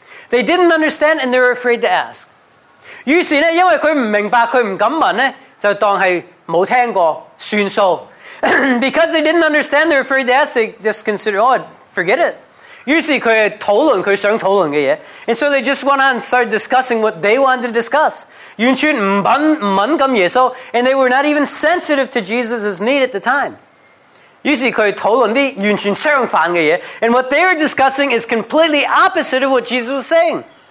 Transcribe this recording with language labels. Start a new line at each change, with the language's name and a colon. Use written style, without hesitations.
English: They didn't understand and they were afraid to ask.
Chinese: 于是呢，因为他不明白，他不敢问呢，就当是没听过，算数。
English: Because they didn't understand, they were afraid to ask, they just considered, oh, forget it.
Chinese: 于是他讨论他想讨论的事，
English: and so they just went on and started discussing what they wanted to discuss.
Chinese: 完全不敢问耶稣，
English: and they were not even sensitive to Jesus' need at the time.
Chinese: 于是他讨论的完全相反的事，
English: and what they were discussing is completely opposite of what Jesus was saying.